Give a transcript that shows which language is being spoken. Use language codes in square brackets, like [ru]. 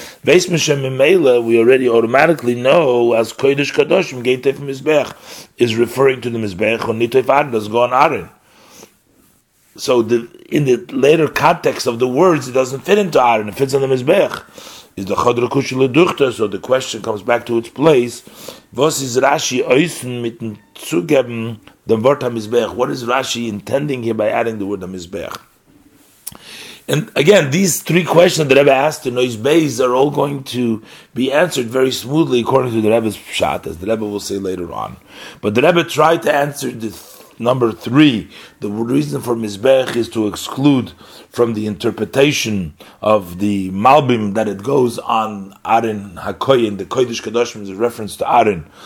[en] Veis Meshem Mimela, we already automatically know, as Kodesh Kadoshim, Gein Teif Mizbeach, is referring to the Mizbeach, on Nitoif Aaron, does go on Aaron. So in the later context of the words, it doesn't fit into Aaron, it fits on the Mizbeach. Is the Chodr Kushi Leduchta, so the question comes back to its place. [yi] Was is Rashi oisen mit dem Zugeben dem Wort am Mizbeach? [en] What is Rashi intending here by adding the word am Mizbeach? And again, these three questions the Rebbe asked in Nois Beis are all going to be answered very smoothly according to the Rebbe's pshat, as the Rebbe will say later on. But the Rebbe tried to answer number three. The reason for Mizbeach is to exclude from the interpretation of the Malbim that it goes on Aaron HaKoyin, the Kodesh Kadoshim is a reference to Aaron.